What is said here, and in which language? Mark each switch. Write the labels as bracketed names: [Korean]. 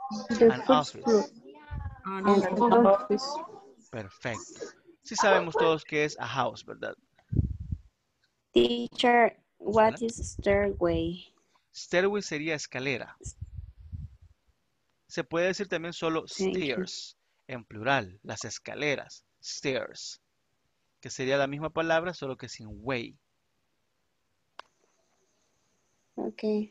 [English] The first floor. An office. An office. [Spanish] Perfecto. Sí sabemos todos qué es [English] a house, [Spanish] ¿verdad? [English] Teacher, what is stairway? [Spanish] Stairway sería escalera. Se puede decir también solo stairs, en plural, las escaleras, stairs. Que sería la misma palabra, solo que sin way. Ok.